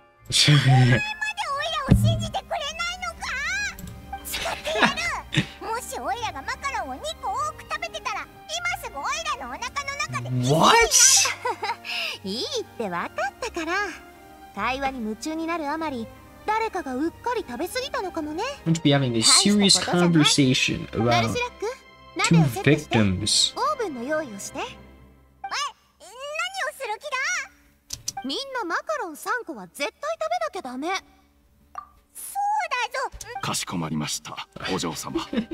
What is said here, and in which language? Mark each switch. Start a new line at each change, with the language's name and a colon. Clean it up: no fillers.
Japanese: それまでオイラを信じてくれないのか。使ってやる。もしオイラがマカロンを2個多く食べてたら、今すぐオイラのお腹の中で
English: What?
Japanese: いいってわかったから。会話に夢中になるあまり、誰かがうっかり食べ過ぎたのかもね。
English: We're be having a serious conversation about two victims.
Japanese: オーブンの用意をして。え、何をする気だ。みんなマカロン3個は絶対食べなきゃダメ。そうだぞ。かしこまりました、お嬢様。